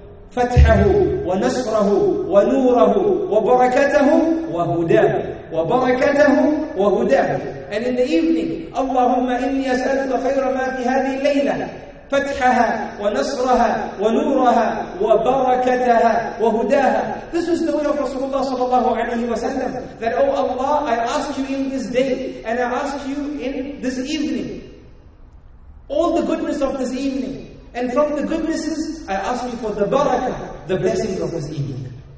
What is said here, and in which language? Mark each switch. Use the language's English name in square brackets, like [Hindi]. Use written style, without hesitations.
[Arabic] Fathahu wa nasrahu wa nurahu wa barakatahu wa hudahu. وبركته وهداه. [English] And in the evening, [Arabic] اللهم إني أسألك خير ما في هذه الليلة فتحها ونصرها ونورها وبركتها وهداها. [English] This is the way of Rasulullah صلى الله عليه وسلم, that oh Allah, I ask you in this day and I ask you in this evening all the goodness of this evening, and from the goodnesses I ask you for the barakah, the blessings of this evening.